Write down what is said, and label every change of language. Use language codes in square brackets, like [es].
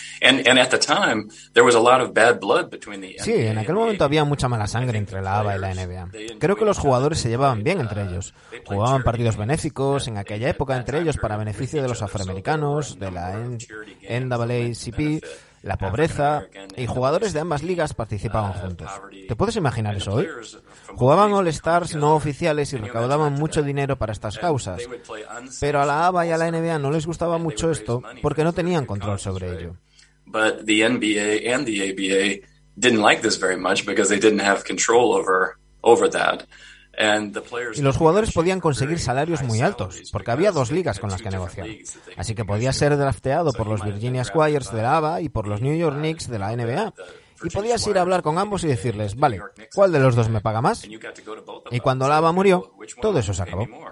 [en] And at the time, there was a lot of bad blood between the NBA. [es] Sí, en aquel momento había mucha mala sangre entre la ABA y la NBA. Creo que los jugadores se llevaban bien entre ellos. Jugaban partidos benéficos en aquella época entre ellos para beneficio de los afroamericanos, de la NAACP, la pobreza, y jugadores de ambas ligas participaban juntos. ¿Te puedes imaginar eso hoy? Jugaban All-Stars no oficiales y recaudaban mucho dinero para estas causas. Pero a la ABA y a la NBA no les gustaba mucho esto porque no tenían control sobre ello. [en] But the NBA and the ABA didn't like this very much because they didn't have control over that. [es] Y los jugadores podían conseguir salarios muy altos, porque había dos ligas con las que negociar. Así que podía ser drafteado por los Virginia Squires de la ABA y por los New York Knicks de la NBA. Y podías ir a hablar con ambos y decirles, vale, ¿cuál de los dos me paga más? Y cuando la ABA murió, todo eso se acabó.